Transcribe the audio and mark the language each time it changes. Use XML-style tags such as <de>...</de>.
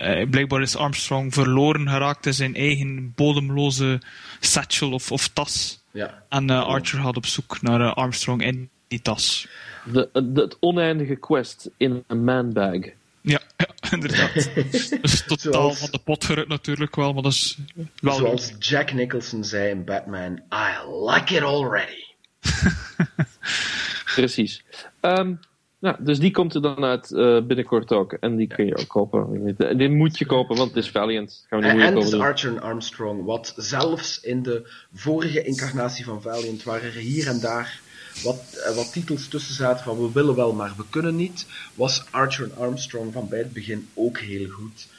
<nl>Blijkbaar is Armstrong verloren geraakt in zijn eigen bodemloze satchel of tas. Ja. En Archer gaat op zoek naar Armstrong in die tas. Het oneindige quest in een manbag. Ja, inderdaad. Dat is totaal van de pot gerukt natuurlijk wel, maar dat is wel... Zoals goed. Jack Nicholson zei in Batman,</nl> <en>I like it already.</en> <nl>Precies. Dus die komt er dan uit binnenkort ook. En die kun je ook kopen. Die moet je kopen, want het is Valiant. En het is Archer & Armstrong, wat zelfs in de vorige incarnatie van Valiant, waar er hier en daar wat titels tussen zaten van we willen wel, maar we kunnen niet, was Archer & Armstrong van bij het begin ook heel goed.</nl>